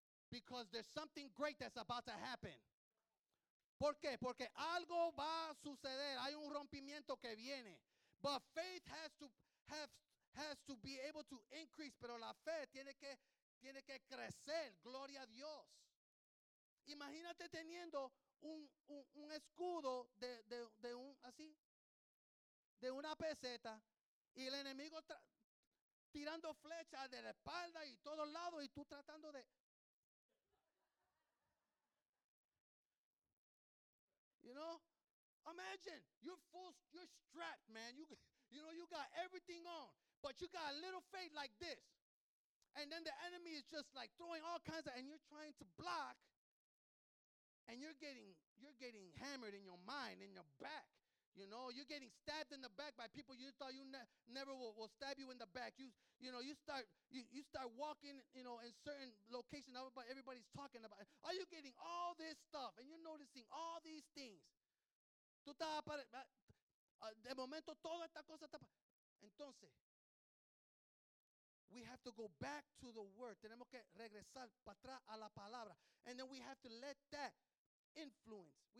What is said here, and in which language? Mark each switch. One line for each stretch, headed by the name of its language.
English: Because there's something great that's about to happen.
Spanish: ¿Por qué? Porque algo va a suceder. Hay un rompimiento que viene.
English: But faith has to be able to increase.
Spanish: Pero la fe tiene que crecer. Gloria a Dios. Imagínate teniendo un escudo de un así, de una peseta, y el enemigo tirando flechas de la espalda y todos lados, y tú tratando de...
English: You know, imagine you're strapped, man. You know, you got everything on, but you got a little faith like this. And then the enemy is just like throwing all kinds of, and you're trying to block. And you're getting hammered in your mind, in your back. You know, you're getting stabbed in the back by people you thought you never will stab you in the back. You start walking, you know, in certain locations. Everybody's talking about it. Are you getting all this stuff? And you're noticing all these things.
Spanish: De momento, toda esta cosa está.
English: Entonces, we have to go back to the word. Tenemos que regresar para atrás a la palabra. And then we have to let that influence.